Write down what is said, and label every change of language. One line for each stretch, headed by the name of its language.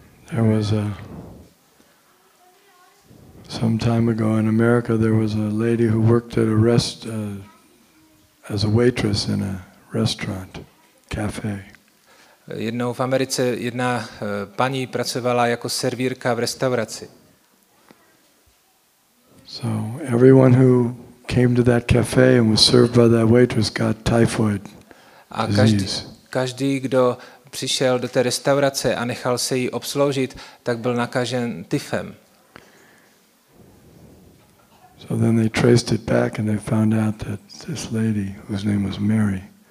English: There was a some time ago in America there was a lady who worked at a as a waitress in a restaurant, cafe.
Czech: Jednou v Americe jedna paní pracovala jako servírka v restauraci.
English: So everyone who came to that cafe and was served by that waitress got typhoid disease.
Czech: Každý, kdo přišel do té restaurace a nechal se jí obsloužit, tak byl nakažen tyfem.
English: So then they traced it back and they found out that this lady whose name was Mary.